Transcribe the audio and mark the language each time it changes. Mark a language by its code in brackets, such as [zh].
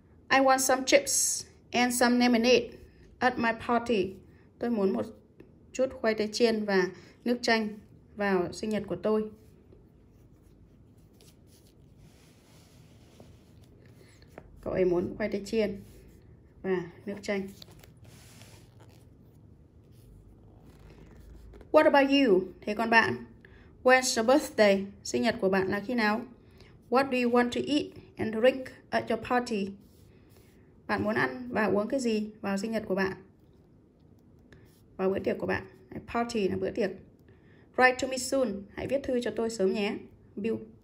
[en] I want some chips and some lemonade at my party. [vi] Tôi muốn một chút khoai tây chiên và nước chanh vào sinh nhật của tôi. Cậu ấy muốn khoai tây chiên và nước chanh. [en] What about you? [vi] Thế còn bạn? [en] When's your birthday? [vi] Sinh nhật của bạn là khi nào? [en] What do you want to eat and drink at your party? [vi] Bạn muốn ăn và uống cái gì vào sinh nhật của bạn? Vào bữa tiệc của bạn. Party là bữa tiệc. [en] Write to me soon. [vi] Hãy viết thư cho tôi sớm nhé. [en] Bill.